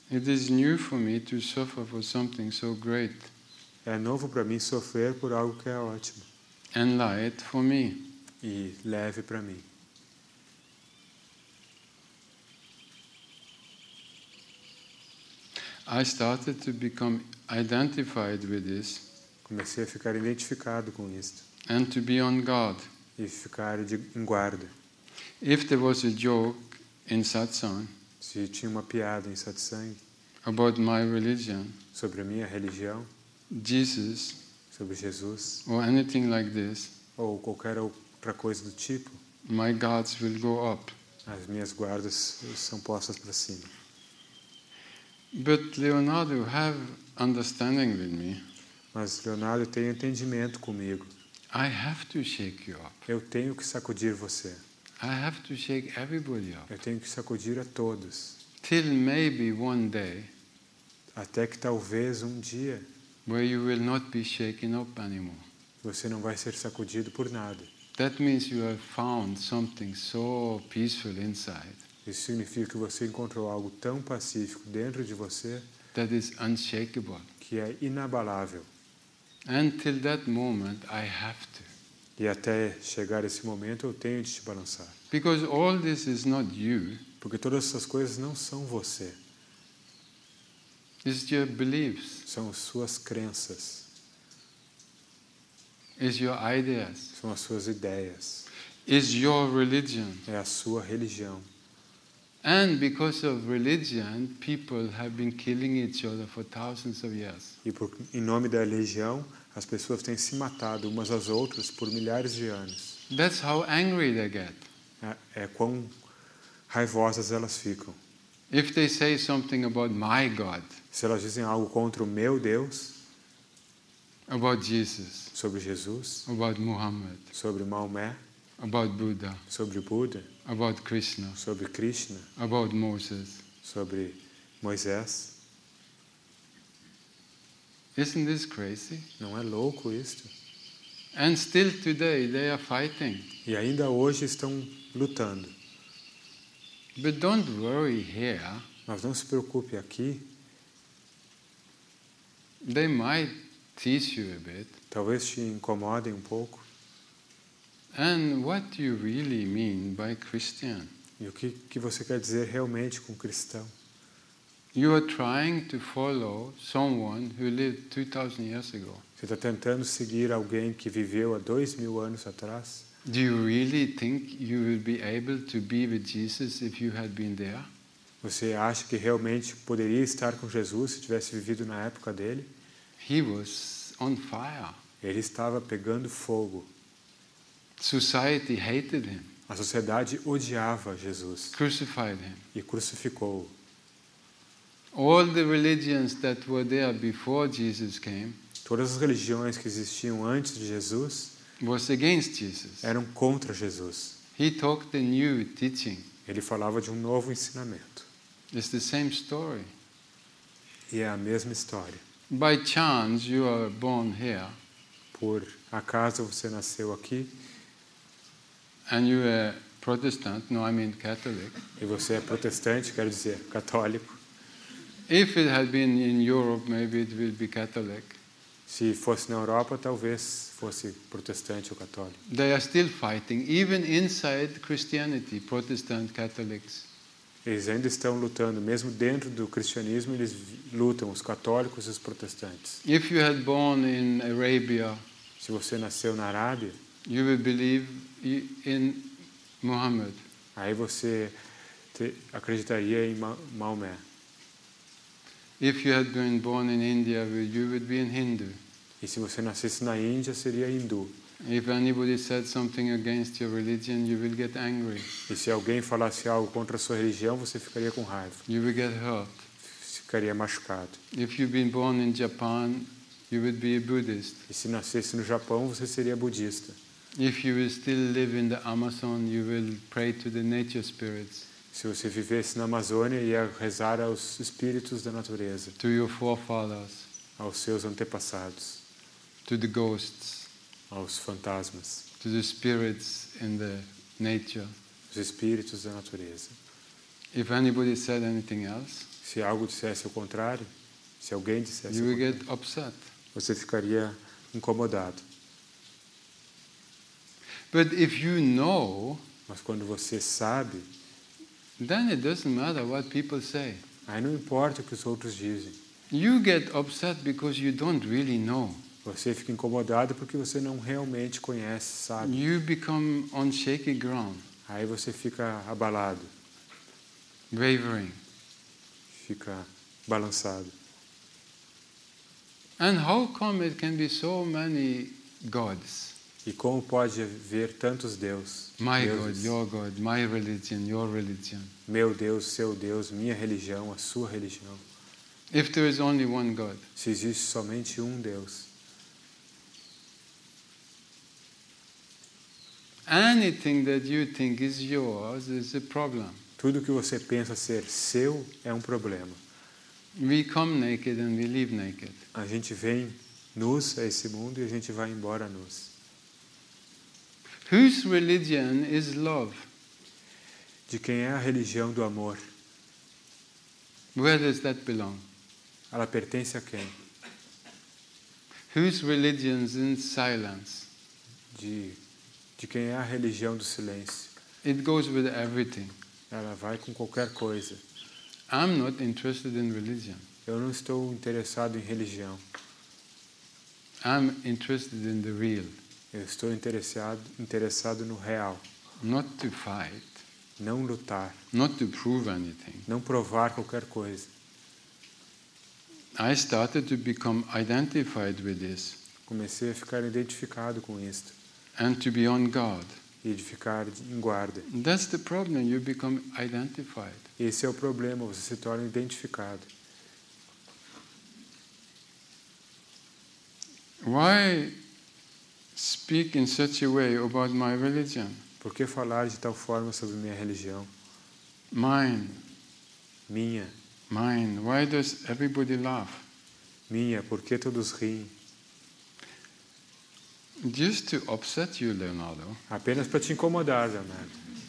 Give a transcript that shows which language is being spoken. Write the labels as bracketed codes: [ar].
[en] It is new for me to suffer for something so great. [pt] É novo para mim sofrer por algo que é ótimo. [en] And light for me. [pt] E leve para mim. [en] I started to become identified with this. [pt] Comecei a ficar identificado com isto. [en] And to be on guard. [pt] E ficar de guarda. [en] If there was a joke in satsang. [pt] Se tinha uma piada em satsang. [en] About my religion. [pt] Sobre a minha religião. [en] Jesus, [pt] sobre Jesus, [en] or anything like this, [pt] ou qualquer outra coisa do tipo, [en] my guards will go up. [pt] As minhas guardas são postas para cima. [en] But Leonardo have understanding with me. [pt] Mas Leonardo tem entendimento comigo. [en] I have to shake you up. [pt] Eu tenho que sacudir você. [en] I have to shake everybody up. [pt] Eu tenho que sacudir a todos. [en] Till maybe one day, [pt] até que talvez um dia. [en] Where you will not be shaken up anymore. [pt] Você não vai ser sacudido por nada. [en] That means you have found something so peaceful inside. [pt] Isso significa que você encontrou algo tão pacífico dentro de você. [en] That is unshakable. [pt] Que é inabalável. [en] Until that moment, I have to. [pt] E até chegar esse momento, eu tenho de te balançar. [en] Because all this is not you. [pt] Porque todas essas coisas não são você. [en] Is your beliefs? [pt] São suas crenças. [en] Is your ideas? [pt] São as suas ideias. [en] Is your religion? [pt] É a sua religião. [en] And because of religion, people have been killing each other for thousands of years. [pt] E por, em nome da religião, as pessoas têm se matado umas às outras por milhares de anos. [en] That's how angry they get. [pt] É quão raivosas elas ficam. [en] If they say something about my God. [pt] Se elas dizem algo contra o meu Deus, [en] about Jesus, [pt] sobre Jesus, [en] about Muhammad, [pt] sobre Maomé, [en] about Buddha, [pt] sobre Buda, [en] about Krishna, [pt] sobre Krishna, [en] about Moses, [pt] sobre Moisés. [en] Isn't this crazy? [pt] Não é louco isto? [en] And still today they are fighting. [pt] E ainda hoje estão lutando. [en] But don't worry here. [pt] Mas não se preocupe aqui. [en] They might tease you a bit. [pt] Talvez te incomodem um pouco. [en] And what do you really mean by Christian? [pt] E o que você quer dizer realmente com cristão? [en] You are trying to follow someone who lived 2,000 years ago. [pt] Você está tentando seguir alguém que viveu há 2,000 anos atrás? [en] Do you really think you would be able to be with Jesus if you had been there? [pt] Você acha que realmente poderia estar com Jesus se tivesse vivido na época dele? [en] He was on fire. [pt] Ele estava pegando fogo. [en] Society hated him. [pt] A sociedade odiava Jesus. [en] Crucified him. [pt] E crucificou-o. [en] All the religions that were there before Jesus came. [pt] Todas as religiões que existiam antes de Jesus. [en] Was against Jesus. [pt] Eram contra Jesus. [en] He taught the new teaching. [pt] Ele falava de um novo ensinamento. [en] It's the same story. [pt] E é a mesma história. [en] By chance you are born here. [pt] Por acaso você nasceu aqui. [en] And you are Protestant. No, I mean Catholic. [pt] E você é protestante, quero dizer, católico. [en] If it had been in Europe, maybe it would be Catholic. [pt] Se fosse na Europa, talvez fosse protestante ou católico. [en] They are still fighting, even inside Christianity, Protestant Catholics. [pt] Eles ainda estão lutando, mesmo dentro do cristianismo, eles lutam, os católicos e os protestantes. [en] If you had born in Arabia, [pt] se você nasceu na Arábia, [en] you will believe in Muhammad. [pt] Aí você acreditaria em Maomé. [en] If you had been born in India, you would be a Hindu. [pt] E se você nascesse na Índia, seria hindu. [en] If anybody said something against your religion, you will get angry. [pt] E se alguém falasse algo contra a sua religião, você ficaria com raiva. [en] You will get hurt. [pt] Ficaria machucado. [en] If you've been born in Japan, you would be a Buddhist. [pt] E se nascesse no Japão, você seria budista. [en] If you will still live in the Amazon, you will pray to the nature spirits. [pt] Se você vivesse na Amazônia, ia rezar aos espíritos da natureza. [en] To your forefathers. [pt] Aos seus antepassados. [en] To the ghosts. [pt] Aos fantasmas. [en] To the spirits in the nature. [pt] Os espíritos da natureza. [en] If anybody said anything else, [pt] se algo dissesse ao contrário, se alguém dissesse [en] you will get upset. [pt] Você ficaria incomodado. [en] But if you know, [pt] mas quando você sabe, [en] then it doesn't matter what people say. [pt] Aí não importa o que os outros dizem. [en] You get upset because you don't really know. [pt] Você fica incomodado porque você não realmente conhece, sabe? [en] You become on shaky ground. [pt] Aí você fica abalado. [en] Wavering. [pt] Fica balançado. [en] And how come it can be so many gods? [pt] E como pode haver tantos deuses? [en] My God, your God, my religion, your religion. [pt] Meu Deus, seu Deus, minha religião, a sua religião. [en] If there is only one God. [pt] Se existe somente um Deus. [en] Anything that you think is yours is a problem. [pt] Tudo que você pensa ser seu é um problema. [en] We come naked and we leave naked. [pt] A gente vem nus a esse mundo e a gente vai embora nus. [en] Whose religion is love? [pt] De quem é a religião do amor? [en] Where does that belong? [pt] Ela pertence a quem? [en] Whose religion is in silence? [pt] De quem é a religião do silêncio? [en] It goes with everything. [pt] Ela vai com qualquer coisa. [en] I'm not interested in religion. [pt] Eu não estou interessado em religião. [en] I'm interested in the real. [pt] Eu estou interessado no real. [en] Not to fight. [pt] Não lutar. [en] Not to prove anything. [pt] Não provar qualquer coisa. [en] I started to become identified with this. [pt] Comecei a ficar identificado com isto. [en] And to be on guard. [pt] E de ficar em guarda. [en] That's the problem. You become identified. [pt] Esse é o problema. Você se torna identificado. [en] Why speak in such a way about my religion? [pt] Por que falar de tal forma sobre minha religião? [en] Mine. [pt] Minha. [en] Mine. Why does everybody laugh? [pt] Minha. Por que todos riem? [en] Just to upset you, Leonardo. [pt] Apenas para te incomodar, Leonardo.